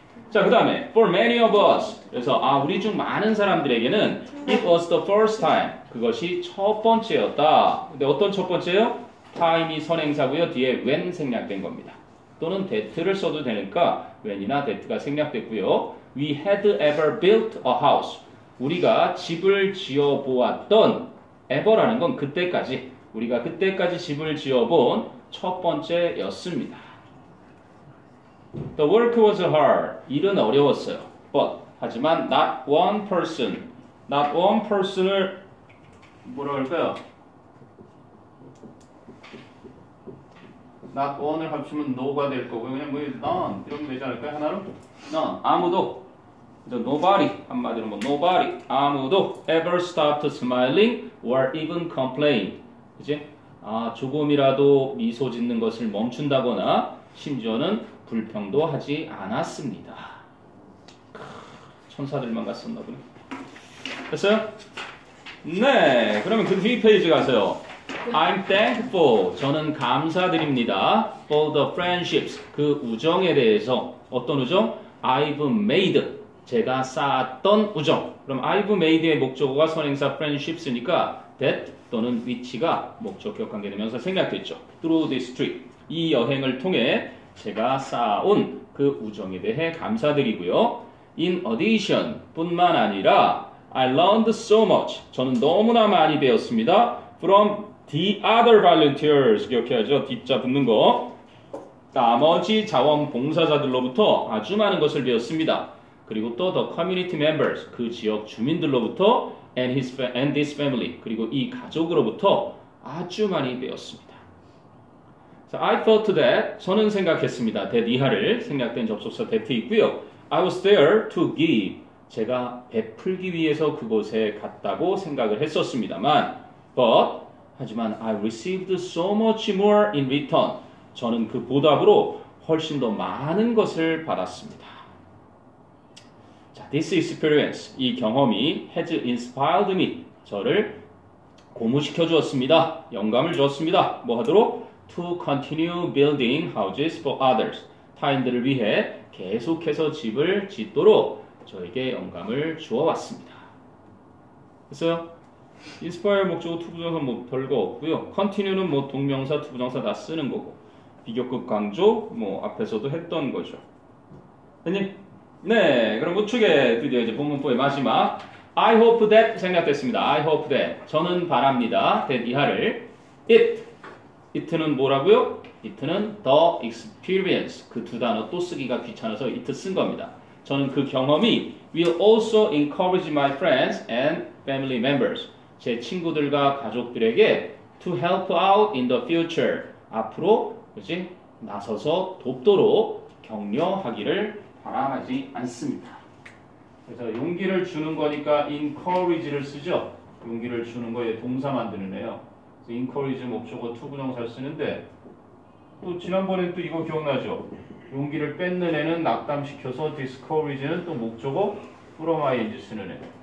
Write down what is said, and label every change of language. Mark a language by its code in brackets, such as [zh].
[ko] 자, 그 다음에 [en] For many of us, [ko] 그래서 아 우리 중 많은 사람들에게는 [en] It was the first time, [ko] 그것이 첫 번째였다. 근데 어떤 첫 번째요? Time이 선행사고요. 뒤에 when 생략된 겁니다. 또는 that를 써도 되니까 when이나 that가 생략됐고요. [en] We had ever built a house. [ko] 우리가 집을 지어보았던 ever라는 건 그때까지 우리가 그때까지 집을 지어본 첫 번째였습니다. [en] The work was hard. [ko] 일은 어려웠어요. [en] But [ko] 하지만 [en] not one person. [ko] Not one person을 뭐라 할까요? Not one을 합치면 no가 될 거고 그냥 뭐 none 이런 거 되지 않을까요? 하나로? None. 아무도. [en] Nobody, [ko] 한마디로 뭐 [en] nobody, [ko] 아무도 [en] ever stopped smiling or even complained. [ko] 그치? 아, 조금이라도 미소 짓는 것을 멈춘다거나 심지어는 불평도 하지 않았습니다. 천사들만 갔었나 보네. 됐어요? 네, 그러면 그 뒤 페이지 가세요. [en] I'm thankful, [ko] 저는 감사드립니다. [en] For the friendships, [ko] 그 우정에 대해서. 어떤 우정? [en] I've made. [ko] 제가 쌓았던 우정. 그럼 I've made의 목적어가 선행사 friendships니까 that 또는 which가 목적격 관계되면서 생략됐죠. [en] Through this trip. [ko] 이 여행을 통해 제가 쌓아온 그 우정에 대해 감사드리고요. [en] In addition [ko] 뿐만 아니라 [en] I learned so much. [ko] 저는 너무나 많이 배웠습니다. [en] From the other volunteers. [ko] 기억해야죠. 뒷자 붙는 거. 나머지 자원봉사자들로부터 아주 많은 것을 배웠습니다. 그리고 또 [en] the community members, [ko] 그 지역 주민들로부터 [en] and his and this family, [ko] 그리고 이 가족으로부터 아주 많이 배웠습니다. [en] So I thought that, [ko] 저는 생각했습니다. [en] that [ko] 이하를 생략된 접속사 [en] that [ko] 있고요. [en] I was there to give, [ko] 제가 베풀기 위해서 그곳에 갔다고 생각을 했었습니다만 but 하지만 [en] I received so much more in return. [ko] 저는 그 보답으로 훨씬 더 많은 것을 받았습니다. [en] 자, this experience, [ko] 이 경험이 [en] has inspired me. [ko] 저를 고무시켜 주었습니다. 영감을 주었습니다. 뭐 하도록? [en] To continue building houses for others. [ko] 타인들을 위해 계속해서 집을 짓도록 저에게 영감을 주어 왔습니다. 됐어요? inspire 목적어 to 부정사 뭐 별거 없고요. continue는 뭐 동명사 to 부정사 다 쓰는 거고 비교급 강조 뭐 앞에서도 했던 거죠. 회님? 네, 그럼 우측에 드디어 이제 본문 4의 마지막 [en] I hope that [ko] 생략됐습니다. [en] I hope that [ko] 저는 바랍니다. that 이하를 it it는 뭐라고요? it는 the experience 그 두 단어 또 쓰기가 귀찮아서 it 쓴 겁니다. 저는 그 경험이 [en] will also encourage my friends and family members [ko] 제 친구들과 가족들에게 [en] to help out in the future [ko] 앞으로 그지 나서서 돕도록 격려하기를 바라지 않습니다. 그래서 용기를 주는 거니까 encourage를 쓰죠. 용기를 주는 거에 동사 만드는데요. encourage 목적어 to 부정사를 쓰는데 또 지난번에 또 이거 기억나죠? 용기를 뺏는 애는 낙담시켜서 discourage는 또 목적어 from ing 쓰는 애.